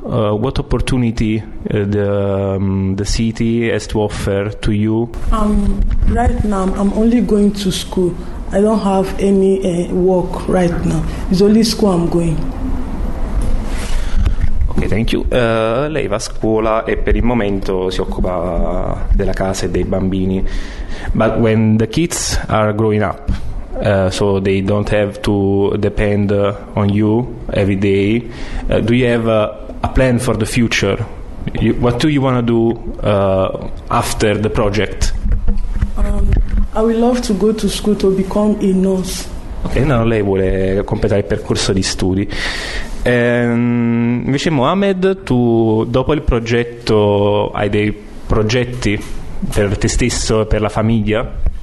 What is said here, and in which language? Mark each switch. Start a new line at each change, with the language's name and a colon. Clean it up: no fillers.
English: What opportunity the city has to offer to you? Right now I'm only going to school. I don't have any work right now. It's only school I'm going. Ok, thank you.
Italian: Lei va a scuola e per il momento si occupa della casa e dei bambini.
English: But when the kids are growing up, so they don't have to depend on you every day, do you have a plan for the future? What do you want to do after the project? I would love to go to school to become a nurse.
Italian: Ok, no, lei vuole completare il percorso di studi. Invece Mohamed, tu dopo il progetto hai dei progetti per te stesso e per la famiglia?